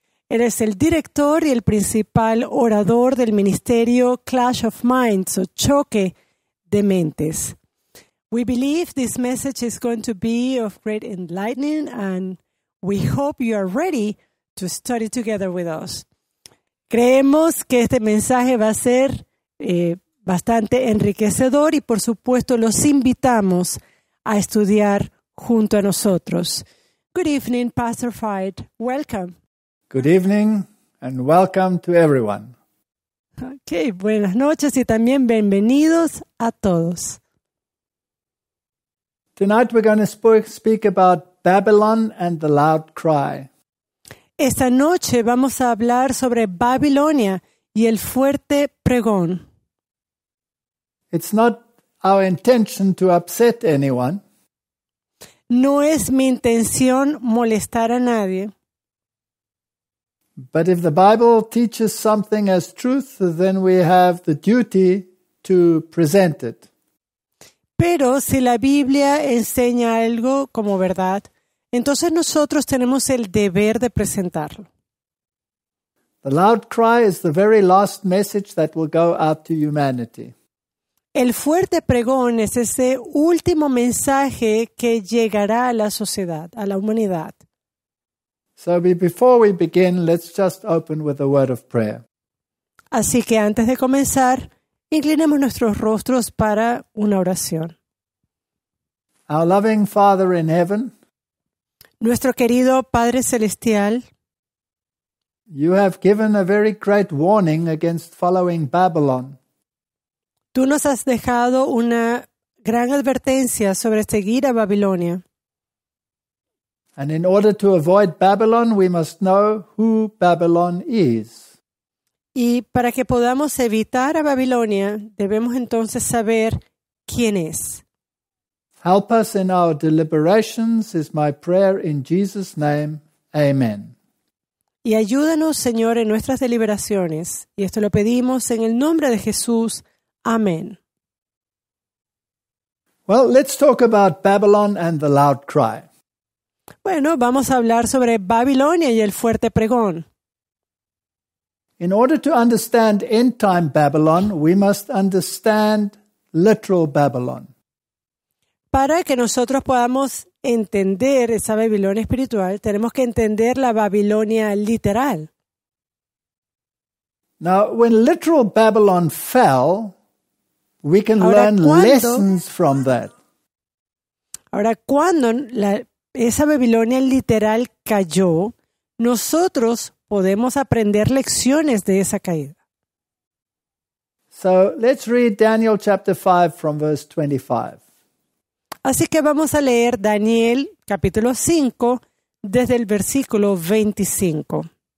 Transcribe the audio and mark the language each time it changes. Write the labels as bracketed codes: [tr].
[es] Él es el director y el principal orador del ministerio Clash of Minds, o Choque de Mentes. [en] We believe this message is going to be of great enlightening, and we hope you are ready to study together with us. [es] Creemos que este mensaje va a ser bastante enriquecedor y, por supuesto, los invitamos a estudiar junto a nosotros. [en] Good evening, Pastor Fide. Welcome. Good evening and welcome to everyone. [es] Okay, buenas noches y también bienvenidos a todos. [en] Tonight we're going to speak about Babylon and the loud cry. [es] Esta noche vamos a hablar sobre Babilonia y el fuerte pregón. [en] It's not our intention to upset anyone. [es] No es mi intención molestar a nadie. [en] But if the Bible teaches something as truth, then we have the duty to present it. [es] Pero si la Biblia enseña algo como verdad, entonces nosotros tenemos el deber de presentarlo. [en] The loud cry is the very last message that will go out to humanity. [es] El fuerte pregón es ese último mensaje que llegará a la sociedad, a la humanidad. [en] So before we begin, let's just open with a word of prayer. [es] Así que antes de comenzar, inclinemos nuestros rostros para una oración. [en] Our loving Father in heaven, [es] nuestro querido Padre Celestial, [en] you have given a very great warning against following Babylon. [es] Tú nos has dejado una gran advertencia sobre seguir a Babilonia. [en] And in order to avoid Babylon, we must know who Babylon is. [es] Y para que podamos evitar a Babilonia, debemos entonces saber quién es. [en] Help us in our deliberations is my prayer in Jesus' name. Amen. [es] Y ayúdanos, Señor, en nuestras deliberaciones. Y esto lo pedimos en el nombre de Jesús. Amén. [en] Well, let's talk about Babylon and the loud cry. [es] Bueno, vamos a hablar sobre Babilonia y el fuerte pregón. [en] In order to understand end time Babylon, we must understand literal Babylon. [es] Para que nosotros podamos entender esa Babilonia espiritual, tenemos que entender la Babilonia literal. [en] Now, when literal Babylon fell, we can learn lessons from that. [es] Ahora, cuando esa Babilonia literal cayó, nosotros podemos aprender lecciones de esa caída. [en] So, let's read Daniel chapter 5 from verse 25. [es] Así que vamos a leer Daniel capítulo 5 desde el versículo 25.